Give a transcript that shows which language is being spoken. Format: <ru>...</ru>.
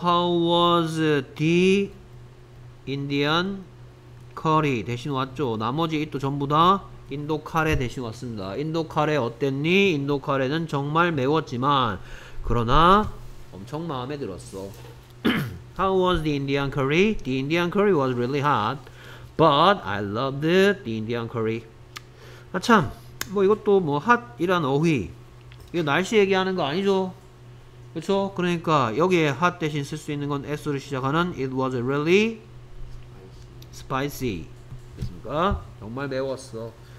<en>How was the Indian curry?</en> <ko>대신 왔죠. 나머지 이또 전부 다 인도 카레 대신 왔습니다. 인도 카레 어땠니? 인도 카레는 정말 매웠지만 그러나 엄청 마음에 들었어.</ko> <en>How was the Indian curry? The Indian curry was really hot, but I loved it, the Indian curry.</en> <ko>아 참, 뭐 이것도 뭐 hot 이란 어휘, 이거 날씨 얘기하는 거 아니죠? 그렇죠? 그러니까 여기에 hot 대신 쓸 수 있는 건 S로 시작하는</ko> <en>it was really spicy.</en> <ko>됐습니까? 정말 매웠어.</ko>